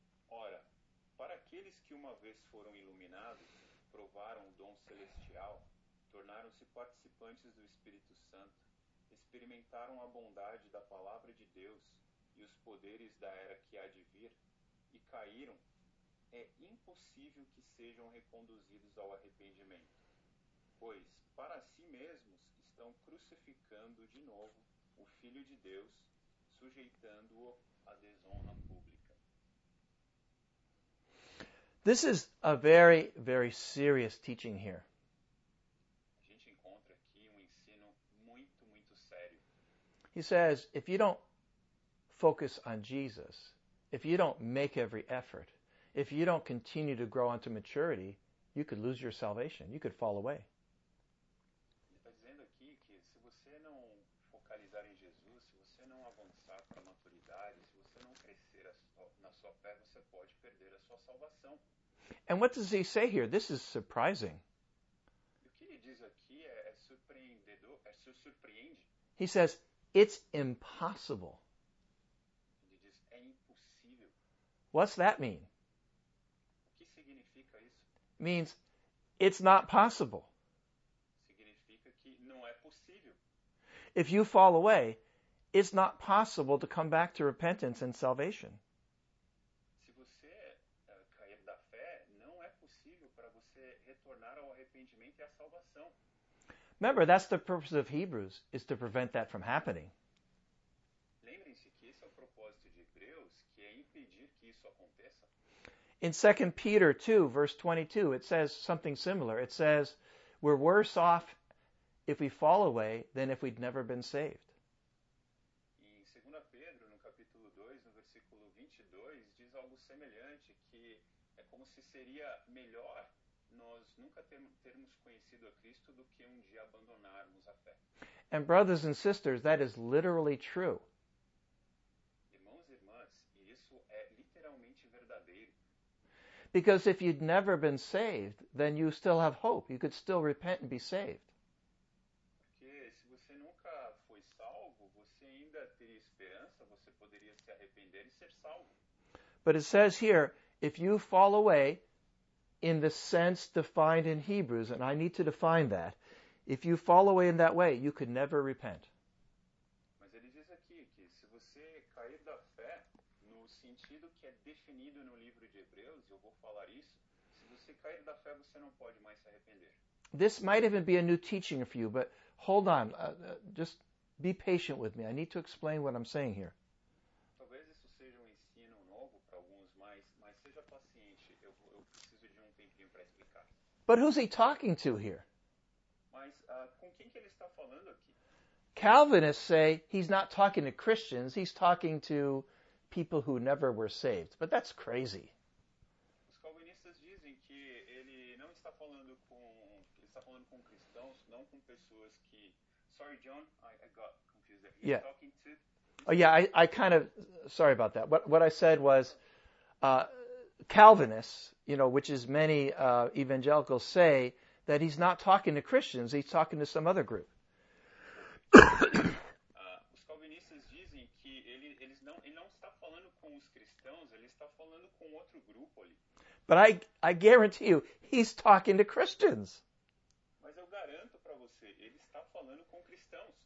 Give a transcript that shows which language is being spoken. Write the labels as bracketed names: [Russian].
[Portuguese] Ora, para aqueles que uma vez foram iluminados, provaram o dom celestial, tornaram-se participantes do Espírito Santo, experimentaram a bondade da palavra de Deus e os poderes da era que há de vir, e caíram, é impossível que sejam reconduzidos ao arrependimento, pois para si mesmos estão crucificando de novo o Filho de Deus, sujeitando-o à desonra pública. [English] This is a very, very serious teaching here. [Portuguese] A gente encontra aqui um ensino muito, muito sério. [English] He says, if you don't focus on Jesus, if you don't make every effort, if you don't continue to grow unto maturity, you could lose your salvation. You could fall away. [Portuguese] Ele está dizendo aqui que se você não focalizar em Jesus, se você não avançar para a maturidade, se você não crescer na sua fé, você pode perder a sua salvação. [English] And what does he say here? This is surprising. [Portuguese] O que ele diz aqui é surpreendedor, é surpreende. [English] He says, it's impossible. [Portuguese] Ele diz, é impossível. [English] What's that mean? [Portuguese] O que significa isso? [English] Means, it's not possible. [Portuguese] Significa que não é possível. [English] If you fall away, it's not possible to come back to repentance and salvation. [Portuguese] Se você cair da fé, não é possível para você retornar ao arrependimento e à salvação. [English] Remember, that's the purpose of Hebrews, is to prevent that from happening. [Portuguese] Lembrem-se que esse é o propósito de Hebreus, que é impedir que isso aconteça. [English] In 2 Peter 2, verse 22, it says something similar. It says, we're worse off if we fall away than if we'd never been saved. [Portuguese] Em 2 Pedro, no capítulo 2, no versículo 22, diz algo semelhante, que é como se seria melhor nós nunca termos conhecido a Cristo do que um dia abandonarmos a fé. [English] And brothers and sisters, that is literally true. [Portuguese] Irmãos e irmãs, isso é literalmente verdadeiro. [English] Because if you'd never been saved, then you still have hope. You could still repent and be saved. [Portuguese] Porque se você nunca foi salvo, você ainda teria esperança, você poderia se arrepender e ser salvo. [English] But it says here, if you fall away, in the sense defined in Hebrews, and I need to define that, if you fall away in that way, you could never repent. [Portuguese] Mas ele diz aqui que se você cair da fé, no sentido que é definido no livro de Hebreus, eu vou falar isso, se você cair da fé, você não pode mais se arrepender. [English] This might even be a new teaching for you, but hold on, just be patient with me. I need to explain what I'm saying here. [Portuguese] Talvez isso seja um ensino novo para alguns, mas seja paciente, eu preciso de um tempinho para explicar. [English] But who's he talking to here? [Portuguese] Mas com quem que ele está falando aqui? [English] Calvinists say he's not talking to Christians, he's talking to people who never were saved. But that's crazy. [Portuguese] Os calvinistas dizem que ele não está falando com, ele está falando com cristãos, não com pessoas que... [English] Sorry, John, I got confused. He's yeah. Talking to... Oh, yeah, I kind of... Sorry about that. What I said was Calvinists, you know, which is many evangelicals, say that he's not talking to Christians, he's talking to some other group. [Portuguese] Os calvinistas dizem que ele não está falando com os cristãos, ele está falando com outro grupo ali. [English] But I guarantee you, he's talking to Christians. [Portuguese] Mas eu garanto para você, ele está falando com cristãos.